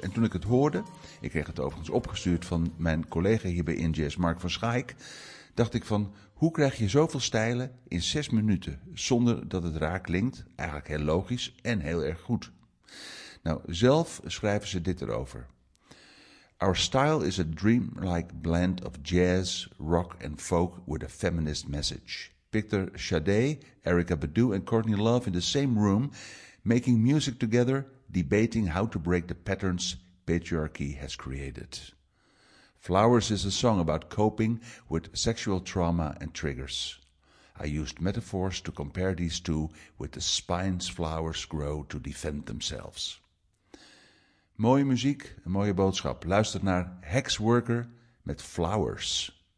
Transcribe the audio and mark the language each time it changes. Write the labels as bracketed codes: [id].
[nl] En toen ik het hoorde, ik kreeg het overigens opgestuurd van mijn collega hier bij In Jazz, Mark van Schaik, dacht ik van, hoe krijg je zoveel stijlen in 6 minuten zonder dat het raar klinkt? Eigenlijk heel logisch en heel erg goed. Nou, zelf schrijven ze dit erover. [en] Our style is a dreamlike blend of jazz, rock and folk with a feminist message. Victor Sade, Erica Badu and Courtney Love in the same room, making music together, debating how to break the patterns patriarchy has created. Flowers is a song about coping with sexual trauma and triggers. I used metaphors to compare these two with the spines flowers grow to defend themselves. [nl] Mooie muziek, een mooie boodschap. Luister naar Hexworker met Flowers.